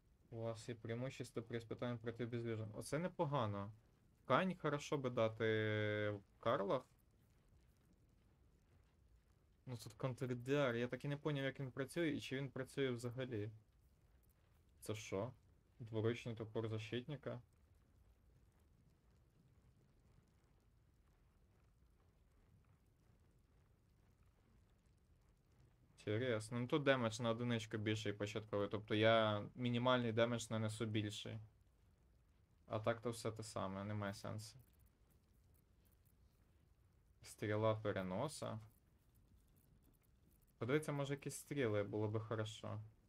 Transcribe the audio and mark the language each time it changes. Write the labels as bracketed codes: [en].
[ru] У вас є преимущество при испытании против безвижного. [uk] Оце непогано. [ru] Ткань хорошо бы дать в Карлах. Ну тут контрдиар, я так и не понял, как он [uk] працює и чи он працює взагалі. [ru] Это что? Двуручный топор защитника? Интересно. Ну тут демедж на одиничку больше початковый. [uk] Тобто [ru] я минимальный демедж нанесу больше. [uk] А так то все те саме, немає сенсу. Стріла переноса. Подивіться, може якісь стріли, було би хорошо.